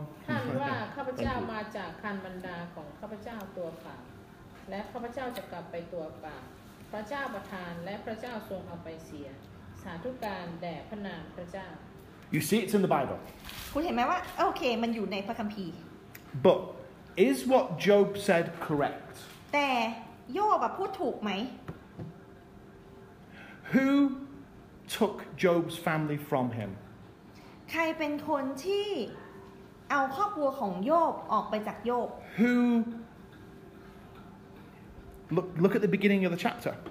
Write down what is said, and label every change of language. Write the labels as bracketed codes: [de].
[th] ท่านว่าข้าพเจ้ามาจากคันบรรดาของข้าพเจ้าตัวฝ่าและข้าพเจ้าจะกลับไปตัวฝ่าพระเจ้าประทานและพระเจ้าทรงเอาไปเสียสาธุการแด่พระนามพระเจ้า [en] You see it's in the Bible. [th] คุณเห็นไหมว่าโอเคมันอยู่ในพระคัมภีร์ [en] But is what Job said correct? [th] แต่โยบพูดถูกไหม [en] Who took Job's family from him? [th] ใครเป็นคนที่เอาครอบครัวของโยบออกไปจากโยบ [en] Who look at the beginning of the chapter